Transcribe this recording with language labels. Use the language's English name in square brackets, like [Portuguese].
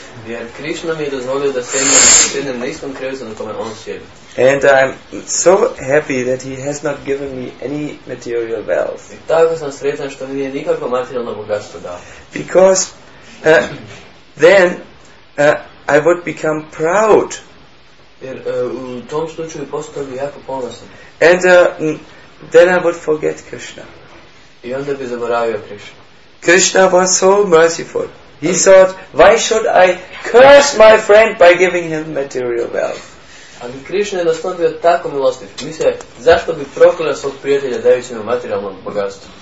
[Croatian] Jer Krishna mi je dozvolio da sjednem na istom krevetu na kome on sjedi. [English] And I'm so happy that he has not given me any material wealth. [Croatian] I tako sam sretan što mi nije nikakvo materijalno bogatstvo dao. [English] Because then I would become proud. [Croatian] Jer u tom slučaju postao bi jako ponosan. [English] And then I would forget Krishna. [Croatian] I onda bi zaboravio Krishna. [English] Krishna was so merciful. He thought, why should I curse my friend by giving him material wealth? [Croatian] Ali Krishna je jednostavno bio tako milostiv. Misle, zašto bi prokleo svog prijatelja dajući mu materijalno bogatstvo?